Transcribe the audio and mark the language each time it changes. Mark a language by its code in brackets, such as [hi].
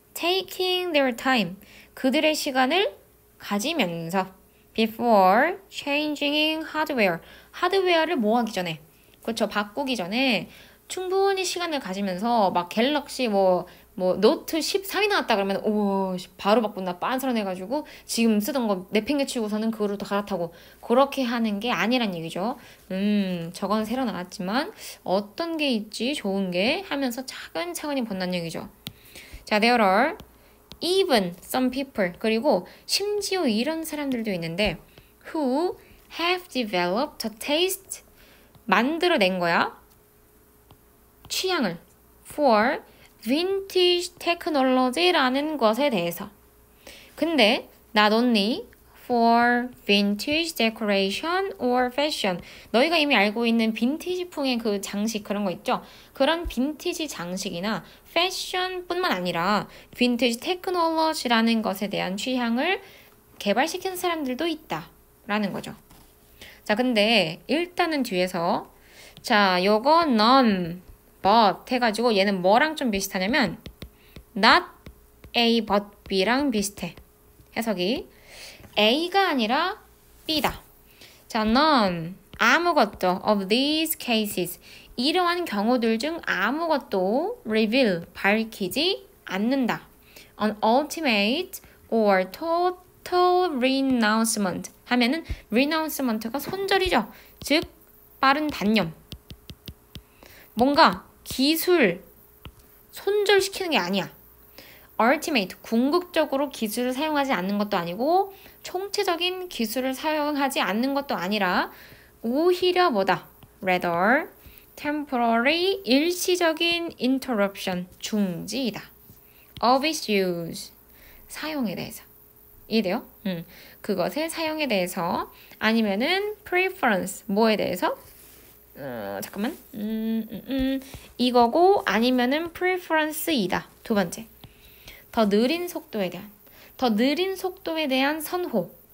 [en] taking their time, [ko] 그들의 시간을 가지면서 [en] before changing hardware, [ko] 하드웨어를 뭐 하기 전에, 그렇죠, 바꾸기 전에 충분히 시간을 가지면서 막 갤럭시 뭐 노트 13이 나왔다 그러면 오 바로 바꾼다 빤스런해가지고 지금 쓰던 거 내팽개치고서는 그거로 또 갈아타고 그렇게 하는 게 아니란 얘기죠. 저건 새로 나왔지만 어떤 게 있지 좋은 게 하면서 차근차근히 본다는 얘기죠. 자, [en] there are even some people, [ko] 그리고 심지어 이런 사람들도 있는데 [en] who have developed a taste, [ko] 만들어낸 거야, 취향을, [en] for vintage technology [ko] 라는 것에 대해서. 근데 [en] not only for vintage decoration or fashion, [ko] 너희가 이미 알고 있는 빈티지풍의 그 장식 그런 거 있죠? 그런 빈티지 장식이나 패션뿐만 아니라 vintage technology라는 것에 대한 취향을 개발시킨 사람들도 있다라는 거죠. 자, 근데 일단은 뒤에서 자, 요거 none, but 해가지고 얘는 뭐랑 좀 비슷하냐면 not A, but B랑 비슷해. 해석이 A가 아니라 B다. 자, none, 아무것도, [en] of these cases, [ko] 이러한 경우들 중 아무것도 reveal, 밝히지 않는다. [en] An ultimate or total renouncement [ko] 하면은 [en] renouncement가 [ko] 손절이죠. 즉, 빠른 단념. 뭔가 기술 손절시키는 게 아니야. Ultimate, 궁극적으로 기술을 사용하지 않는 것도 아니고 총체적인 기술을 사용하지 않는 것도 아니라 오히려 뭐다? [en] Rather, temporary, [ko] 일시적인 [en] interruption, [ko] 중지이다. [en] Of its use, [ko] 사용에 대해서. 이해 돼요? 그것의 사용에 대해서 아니면은 preference, 뭐에 대해서? 잠깐만. 이거고 아니면은 preference이다. 두 번째. 더 느린 속도에 대한. 더 느린 속도에 대한 선호.